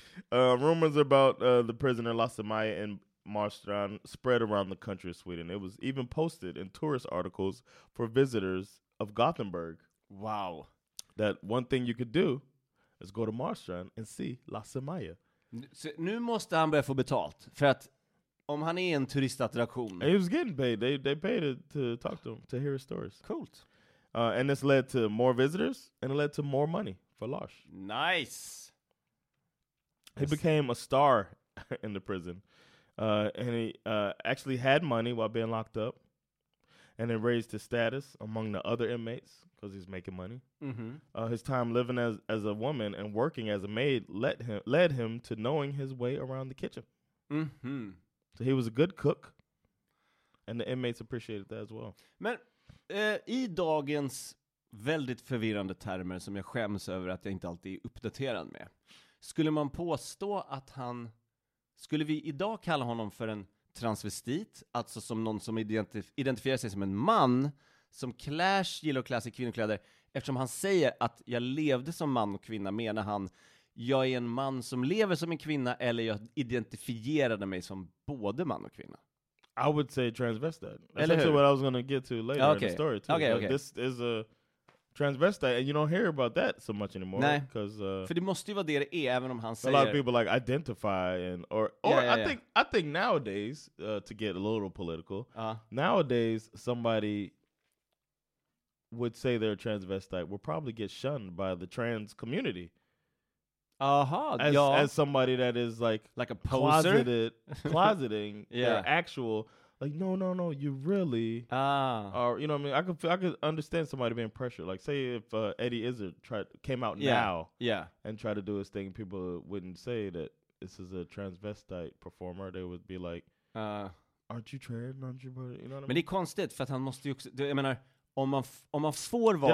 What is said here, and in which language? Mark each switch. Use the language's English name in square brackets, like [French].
[English] Rumors about the prisoner Lasse-Maja and Marstrand spread around the country of Sweden. It was even posted in tourist articles for visitors of Gothenburg. Wow. That one thing you could do is go to Marstrand and see Lasse-Maja. [Swedish] Nu måste han börja få betalt. För att om han är en turistattraktion... [English] And he was getting paid. They paid it to talk to him, to hear his stories. [Swedish] Coolt. [English] And this led to more visitors and it led to more money for Lars. Nice. He became a star in the prison, and he actually had money while being locked up, and it raised his status among the other inmates because he's making money. Mm-hmm. His time living as a woman and working as a maid led him to knowing his way around the kitchen. Mm-hmm. So he was a good cook, and the inmates appreciated that as well. [Swedish] Men i dagens väldigt förvirrande termer som jag skäms över att jag inte alltid är uppdaterad med. Skulle man påstå att han, skulle vi idag kalla honom för en transvestit? Alltså som någon som identifierar sig som en man som gillar att klä sig i kvinnokläder. Eftersom han säger att jag levde som man och kvinna, menar han jag är en man som lever som en kvinna eller jag identifierade mig som både man och kvinna? [English] I would say transvestite. That's actually what I was going to get to later okay. in the story. Too. Okay, okay. This is a... transvestite, and you don't hear about that so much anymore. [Swedish] Nej, [English] because [Swedish] för det måste ju vara det är, även om han säger... [English] A lot of people like identify and or I think nowadays to get a little political. Nowadays somebody would say they're a transvestite will probably get shunned by the trans community. As somebody that is like a poser? closeting yeah. their actual. Like, no, you really are, you know what I mean? I could understand somebody being pressured. Like, say if Eddie Izzard came out now and tried to do his thing, people wouldn't say that this is a transvestite performer. They would be like, aren't you trans? Aren't you, you know what I mean? [Swedish] Men det är konstigt, för att han måste ju också, jag menar, om man får vara...